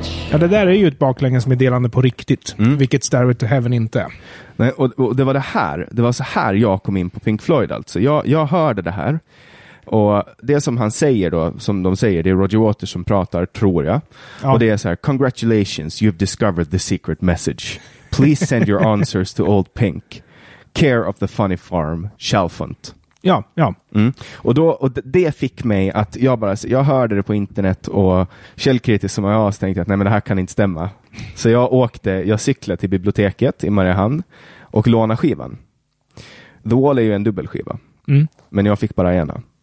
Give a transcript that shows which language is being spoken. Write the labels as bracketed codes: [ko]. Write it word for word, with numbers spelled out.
[sv] Ja, det där är ju ett baklänges meddelande på riktigt, mm. vilket Stairway to Heaven inte är. Nej, och, och det var det här, det var så här jag kom in på Pink Floyd alltså. Jag, jag hörde det här, och det som han säger då, som de säger, det är Roger Waters som pratar, tror jag. Ja. Och det är så här: [en] Congratulations, you've discovered the secret message. Please send your answers to Old Pink. Care of the funny farm, Chalfont. [sv] Ja, ja. Mm. Och, då, och det fick mig att jag bara, jag hörde det på internet och källkritiskt som jag tänkte att nej, men det här kan inte stämma. Så jag åkte, jag cyklade till biblioteket i Mariehamn och lånade skivan. The Wall är ju en dubbelskiva. Mm. Men jag fick bara ena.